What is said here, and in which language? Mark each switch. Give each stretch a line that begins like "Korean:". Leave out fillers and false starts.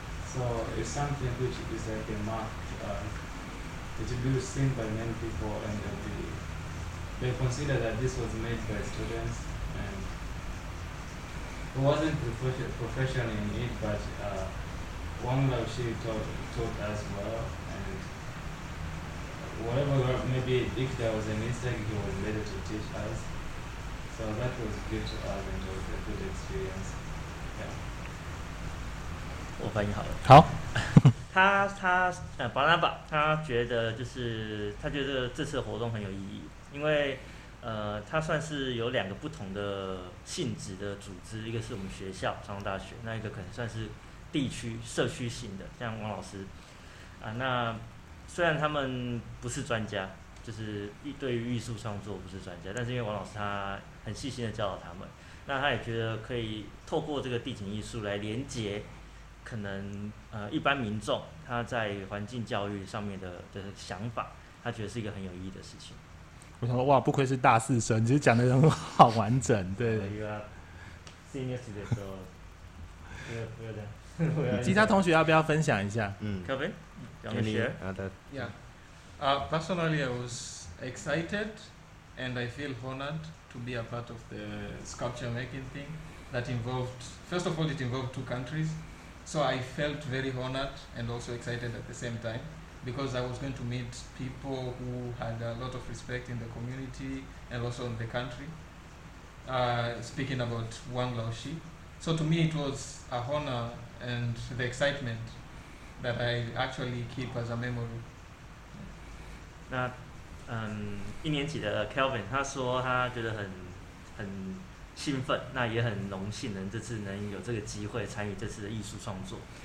English: So it's something which is like a mark, it will be seen by many people, and they consider that this was made by students and who wasn't professional in it, but Wang Lao Shi taught as well, and whatever, maybe if there was a mistake, he was ready to teach us. So that was good to us, and it was a good experience. Yeah.
Chinese: 我翻译好了。好。他巴拿巴他觉得就是他觉得这次的活动很有意义，因为他算是有两个不同的性质的组织，一个是我们学校长荣大学，那一个可能算是地区社区性的，像王老师啊。那虽然他们不是专家，就是对于艺术创作不是专家，但是因为王老师他很细心的教导他们，那他也觉得可以透过这个地景艺术来连接可能一般民众他在环境教育上面 的想法，他觉得是一个很有意义的事情。我想说哇，不愧是大四生，其实讲得很好完整。对，一个 senior student 说其他同学要不要分享一下？嗯
English: ，Kevin， you want to share? Yeah. Personally, I was excited, and I feel honored to be a part of the sculpture making thing that involved. First of all, it involved two countries, so I felt very honored and also excited at the same time, because I was going to meet people who had a lot of respect in the community and also in the country. Speaking about Wang Laoshi, so to me it was a honor. And the excitement that I actually keep as a memory.
Chinese: 那一年级的 Kelvin 他说他觉得很兴奋，那也很荣幸能这次能有这个机会参与这次的艺术创作。